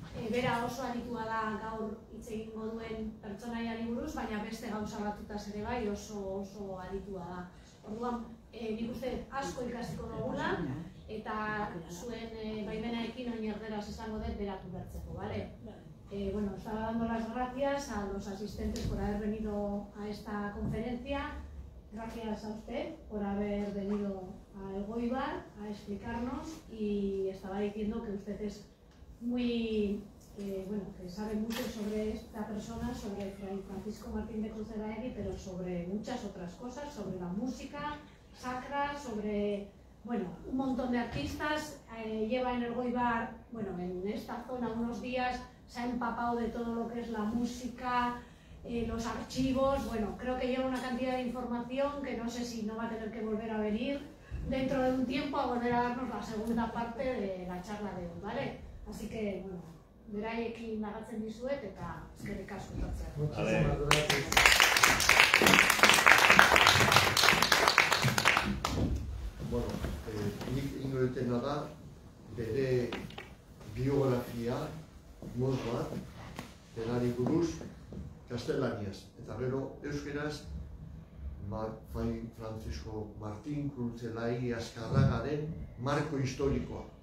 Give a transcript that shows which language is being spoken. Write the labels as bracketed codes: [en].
[eu] Bera oso aritua da gaur hitz egingo duen pertsonaiari buruz, baina beste gauza batutaz ere bai oso aritua da. Orduan, nik uste asko ikasiko dugula eta zuen baimenarekin oin erderaz esango dut beratu bertzeko, bale? [es] Bueno, estaba dando las gracias a los asistentes por haber venido a esta conferencia. Gracias a usted por haber venido a Elgoibar a explicarnos y estaba diciendo que usted es muy, bueno, que sabe mucho sobre esta persona, sobre Francisco Martín de Cruz de la Egui, pero sobre muchas otras cosas, sobre la música sacra, sobre, bueno, un montón de artistas. Lleva en Elgoibar, bueno, en esta zona unos días, se ha empapado de todo lo que es la música, los archivos, bueno, creo que lleva una cantidad de información que no sé si no va a tener que volver a venir dentro de un tiempo a volver a darnos la segunda parte de la charla de hoy, ¿vale? Así que, bueno, [eu] beraiekin lagatzen dizuet eta eskerrik asko [es] gracias. [eu] Bueno, nik ingo dutena da, bere biografia, moz bat, denari buruz, kastelaniaz, eta gero euskeraz, Francisco Martín Cruz de la Egui Azkarragaren marko historikoa.